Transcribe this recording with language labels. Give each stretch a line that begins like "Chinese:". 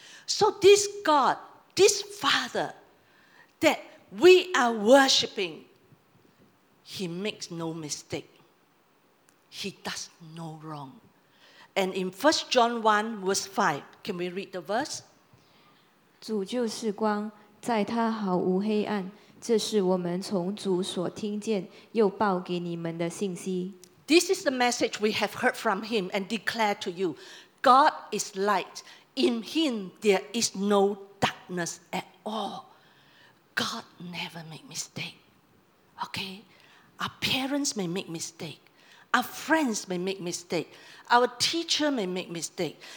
English: So this God, this Father that we are worshiping, he makes no mistake. He does no wrong. And in 1 John 1, verse 5, can we read the verse?
Chinese: 主就是光，在他毫无黑暗，这是我们从主所听见，又报给你们的信息。
English: This is the message we have heard from him and declare to you. God is light. In him there is no darkness at all. God never make mistake. Okay? Our parents may make mistake. Our friends may make mistakes. Our teacher may make mistakes.